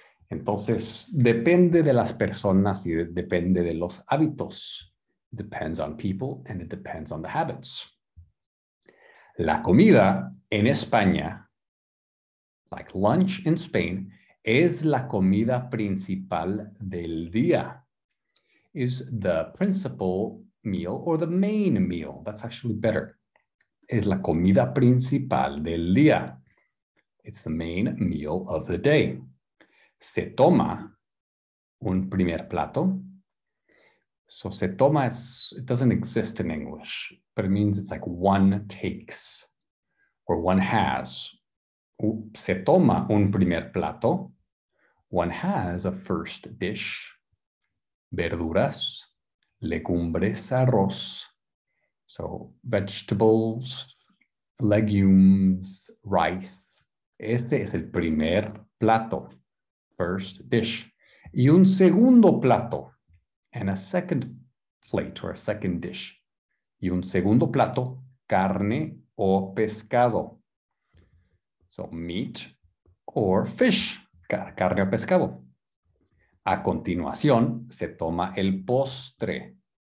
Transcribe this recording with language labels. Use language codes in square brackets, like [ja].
[es] Entonces, depende de las personas y depende de los hábitos. [en] Depends on people and it depends on the habits. [es] La comida en España, [en] like lunch in Spain, [es] es la comida principal del día. [en] Is the principal meal or the main meal. That's actually better. [es] Es la comida principal del día. [en] It's the main meal of the day. [es] Se toma un primer plato. [en] So se toma, it doesn't exist in English, but it means it's like one takes or one has. [es] Se toma un primer plato. [en] One has a first dish. [es] Verduras, legumbres, arroz. [en] So vegetables, legumes, rice. [es] Este es el primer plato, [en] first dish. [es] Y un segundo plato, [en] And a second plate or a second dish. [es] Y un segundo plato, carne o pescado. [en] So meat or fish, [es] carne o pescado. A continuación, se toma el postre.